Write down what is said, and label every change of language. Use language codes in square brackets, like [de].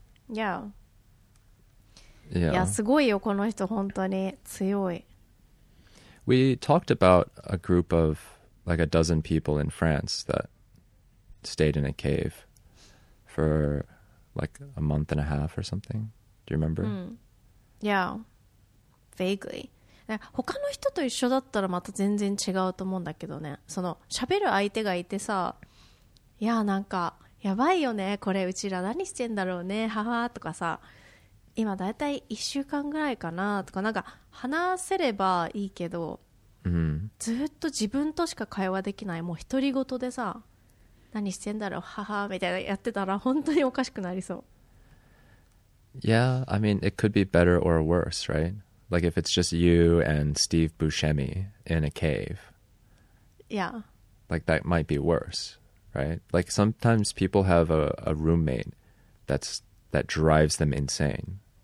[en] Yeah. We talked about a group of like a dozen people in France that stayed in a cave for like a month and a half or something. Do you remember? Yeah. Vaguely. [ja] 他の人と一緒だったらまた全然違うと思うんだけどね。その喋る相手がいてさ、いやなんかやばいよねこれ、うちら何してんだろうね、ははとかさ、今だいたい1週間ぐらいかなとか、なんか話せればいいけど、うん、ずっと自分としか会話できない、もう独り言でさ、何してんだろうははみたいなやってたら本当におかしくなりそう。 [en] Yeah, I mean it could be better or worse, right? Like if it's just you and Steve Buscemi in a cave. Yeah. Like that might be worse, right? Like sometimes people have a roommate that drives them insane.